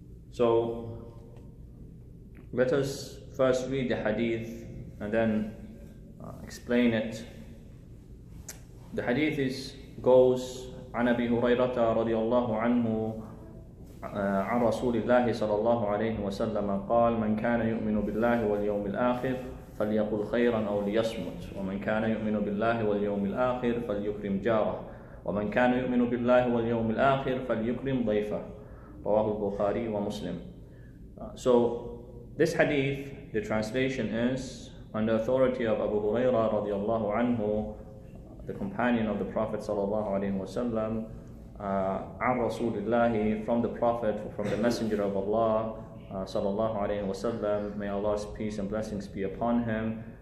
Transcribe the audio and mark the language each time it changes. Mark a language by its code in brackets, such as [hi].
[en] So, let us first read the hadith and then explain it. The hadith goes, [ar] عن أبي هريرة رضي الله عنه عن رسول الله صلى الله عليه وسلم قال من كان يؤمن بالله واليوم الآخر فليقل خيرا أو ليصمت ومن كان يؤمن بالله واليوم الآخر فليكرم جاره ومن كان يؤمن بالله واليوم الآخر فليكرم ضيفه رواه البخاري ومسلم. [en] So this hadith, the translation is on the authority of Abu Hurairah رضي الله عنه, the companion of the Prophet صلى الله عليه وسلم. [ar] عن رسول الله, [en] from the Prophet, from the Messenger of Allah, sallallahu alayhi wa sallam, may Allah's peace and blessings be upon him.